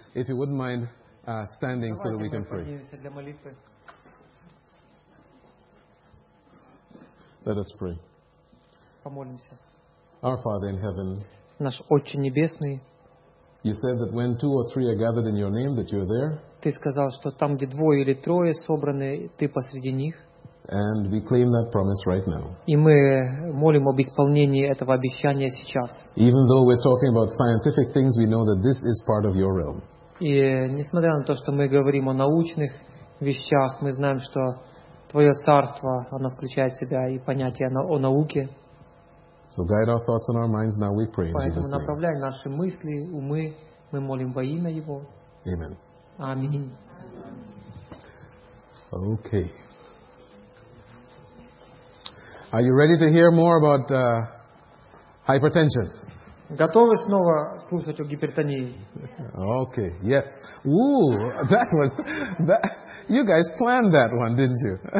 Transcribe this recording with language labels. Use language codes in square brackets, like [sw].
[en] If you wouldn't mind standing so that we can pray. Let us pray. Our Father in heaven, [ru] наш Отче Небесный, [en] you said that when two or three are gathered in your name, that you are there. [ru] Ты сказал, что там, где двое или трое собраны, ты посреди них. [en] And we claim that promise right now. [ru] И мы молим об исполнении этого обещания сейчас. [en] Even though we're talking about scientific things, we know that this is part of your realm. [ru] И несмотря на то, что мы говорим о научных вещах, мы знаем, что твое царство, оно включает в себя и понятие о науке. [en] So guide our thoughts and our minds now, we pray. [ru] Поэтому направляй наши мысли, умы, мы молим во имя Его. [en] Amen. Amen. Okay. Are you ready to hear more about hypertension? [ru] Готовы снова слушать о гипертонии? [en] Okay. Yes. Ooh, that was. You guys planned that one, didn't you?